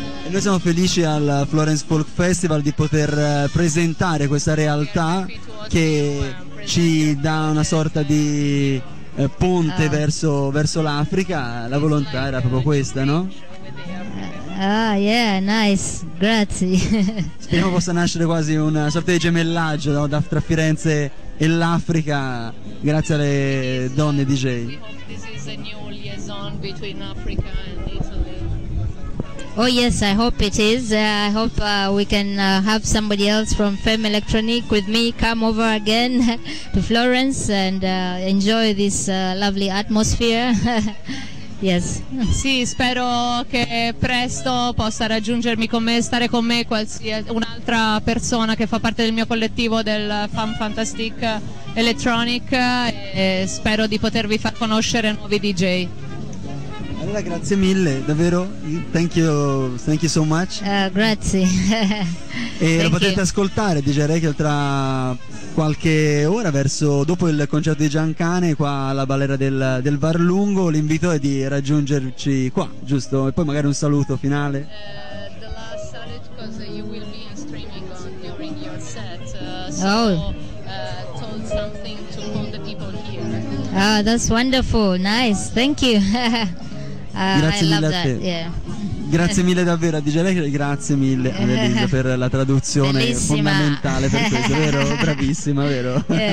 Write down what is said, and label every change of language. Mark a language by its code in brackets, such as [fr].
[it] Noi siamo felici al Florence Folk Festival di poter presentare questa realtà che ci dà una sorta di ponte verso l'Africa. La volontà era proprio questa, no? [en] Ah, yeah, nice, grazie. [it] Speriamo possa nascere quasi una sorta di gemellaggio, no, tra Firenze e l'Africa, grazie alle donne DJ. [en] We hope this is a new liaison between Africa and Oh yes, I hope it is. I hope we can have somebody else from Femme Electronique with me come over again to Florence and enjoy this lovely atmosphere. Yes. [it] Sì, spero che presto possa raggiungermi con me, stare con me qualsiasi un'altra persona che fa parte del mio collettivo del Femme Fantastic Electronic, e spero di potervi far conoscere nuovi DJ. Allora, grazie mille, davvero. Thank you so much. Grazie. E lo potete ascoltare DJ Rachel tra qualche ora, verso dopo il concerto di Giancane qua alla balera del Barlungo. L'invito è di raggiungerci qua, giusto? E poi magari un saluto finale. [en] The last salute, because you will be streaming during your set. So told something to all the people here. That's wonderful. Nice. Thank you. [it] Grazie mille a te. Grazie mille davvero a DJ Rachel, grazie mille a Annelisa per la traduzione. Bellissima. Fondamentale per questo, vero? Bravissima, vero?